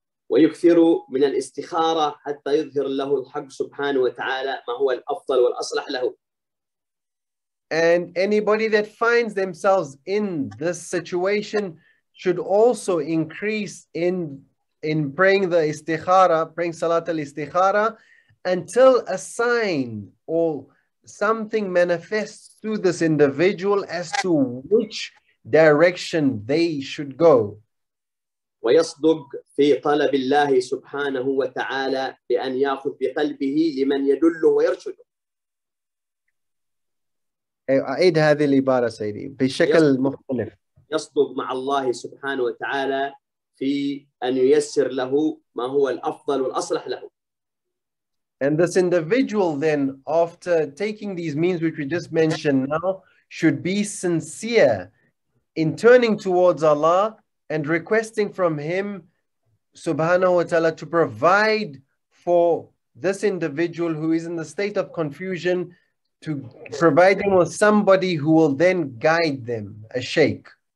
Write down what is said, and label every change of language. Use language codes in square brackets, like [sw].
[ar] ويكثر من الاستخارة حتى يظهر له الحق سبحانه وتعالى ما هو الأفضل والأصلح له. [en] And anybody that finds themselves in this situation should also increase in praying the istikhara, praying salat al-istikhara, until a sign or something manifests to this individual as to which direction they should go. [ar] ويصدق في طلب الله سبحانه وتعالى بأن يأخذ بقلبه لمن يدله ويرشده. أعيد هذه العبارة سيدي بشكل مختلف. يصدق مع الله سبحانه وتعالى في أن ييسر له ما هو الأفضل والأصلح له. [en] And this individual then, after taking these means which we just mentioned now, should be sincere in turning towards Allah and requesting from Him subhanahu wa ta'ala to provide for this individual who is in the state of confusion, to provide him with somebody who will then guide them, a sheikh.